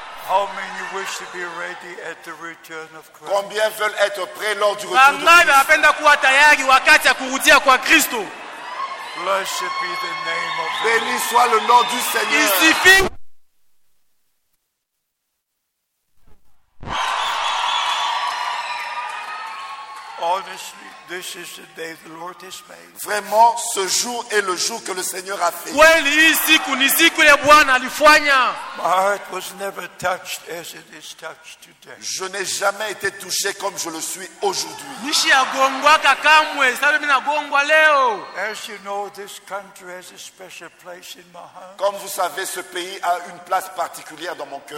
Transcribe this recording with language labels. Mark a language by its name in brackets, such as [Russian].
[English] How many wish to be ready at the return of Christ? [French] Combien veulent être prêts lors du retour de Christ? [English] Blessed be the name of the [French] Lord. Béni soit le nom du Seigneur. [English] Honestly, this is the day the Lord has made. [French] Vraiment, ce jour est le jour que le Seigneur a fait. [English] My heart was never touched as it is touched today. [French] Je n'ai jamais été touché comme je le suis aujourd'hui. [English] As you know, this country has a special place in my heart. [French] Comme vous savez, ce pays a une place particulière dans mon cœur.